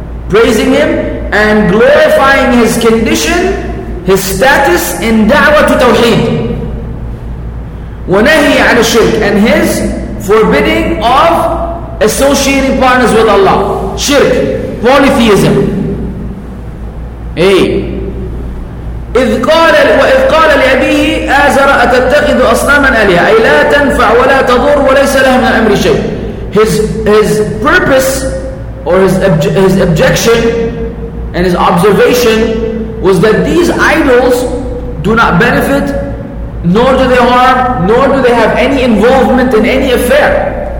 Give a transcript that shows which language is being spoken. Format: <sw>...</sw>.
<en>Praising him and glorifying his condition, his status in da'wah to tawheed.</en> <ar>ونهي عن الشرك,</ar> <en>and his forbidding of associating partners with Allah. Shirk, polytheism.</en> <ar>إذ قال وإذ قال لأبيه آزر أتتخذ أصناما آلهة أي لا تنفع ولا تضر وليس لها من الأمر شيء.</ar> <en>His purpose or his objection and his observation was that these idols do not benefit, nor do they harm, nor do they have any involvement in any affair.</en>